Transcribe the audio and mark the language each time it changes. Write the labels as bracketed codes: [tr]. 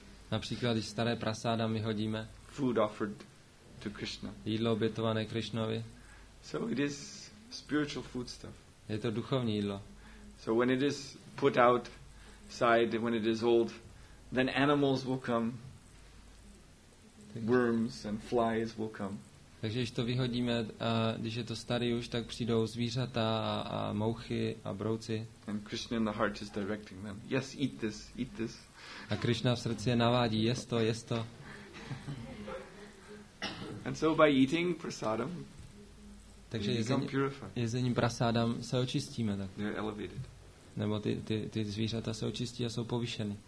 [cs] Například, když staré prasádam vyhodíme. [en] Food offered to Krishna. [cs] Jídlo obětované Krishnovi. [en] So it is spiritual foodstuff. [cs] Je to duchovní jídlo. [en] So when it is put out side, when it is old, then animals will come. Worms and flies will come. [cs] Takže když to vyhodíme, když je to starý už, tak přijdou zvířata a mouchy a brouci. [en] And Krishna in the heart is directing them. Yes, eat this, eat this. [cs] A Krishna v srdci je navádí, jest to, jest to. [en] And so by eating prasadam, [cs] takže jezením prasadam se očistíme tak. [en] They're elevated. [cs] Nebo ty zvířata se očistí a jsou povýšeny.